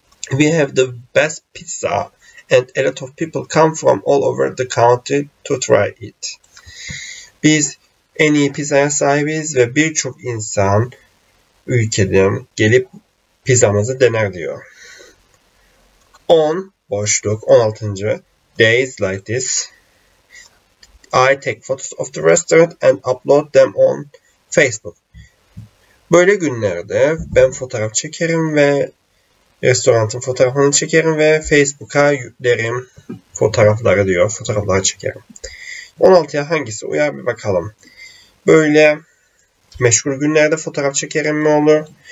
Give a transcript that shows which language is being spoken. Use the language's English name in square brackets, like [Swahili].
[English] We have the best pizza and a lot of people come from all over the country to try it. [Turkish] Biz en iyi pizzaya sahibiz ve birçok insan ülkeden gelip pizzamızı dener diyor. [English] 10 boşluk 16. Days like this. I take photos of the restaurant and upload them on Facebook. [Turkish] Böyle günlerde ben fotoğraf çekerim ve restoranın fotoğrafını çekerim ve Facebook'a yüklerim fotoğrafları diyor. Fotoğrafları çekerim. 16'ya hangisi uyar bir bakalım. Böyle meşgul günlerde fotoğraf çekerim mi olur?